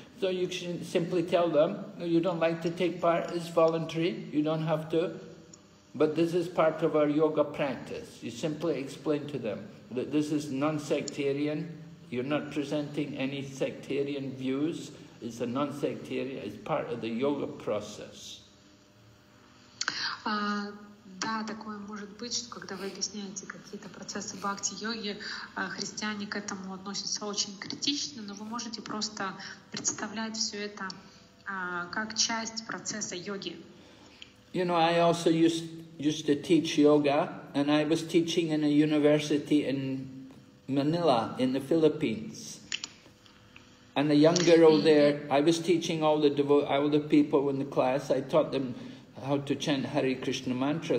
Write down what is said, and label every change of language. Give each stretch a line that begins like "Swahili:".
English: So you should simply tell them, no, you don't like to take part, it's voluntary, you don't have to. But this is part of our yoga practice. You simply explain to them that this is non-sectarian, you're not presenting any sectarian views, it's a non-sectarian, it's part of the yoga process.
Russian: Да, такое может быть, что когда вы объясняете какие-то процессы бхакти-йоги, христиане к этому относятся очень критично, но вы можете просто представлять все это как часть процесса йоги.
English: You know, I also used to teach yoga, and I was teaching in a university in Manila, in the Philippines. And the young girl there, I was teaching all the people in the class, I taught them how to chant Hare Krishna mantra.